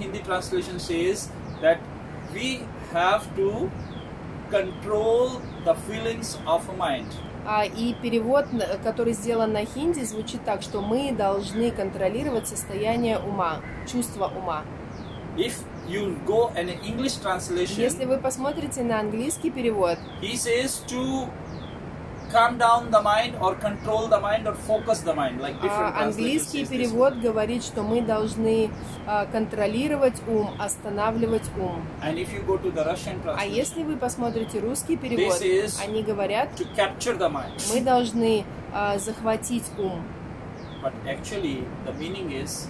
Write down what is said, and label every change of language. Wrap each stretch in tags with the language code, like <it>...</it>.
<en>Hindi translation says that we have to control the feelings of mind.</en> <ru>И перевод, который сделан на хинди, звучит так, что мы должны контролировать состояние ума, чувство ума.</ru> <en>If you go an English translation,</en> <ru>если вы посмотрите на английский перевод,</ru> <en>he says to calm down the mind or control the mind or focus the mind, like different translations.</en> <ru>Английский перевод говорит, что мы должны контролировать ум, останавливать ум.</ru> <en>And if you go to the Russian translation,</en> <ru>а если вы посмотрите русский перевод,</ru> <en>this is</en> <ru>они говорят,</ru> <en>to capture the mind.</en> <ru>Мы должны захватить ум.</ru> <en>But actually, the meaning is,</en>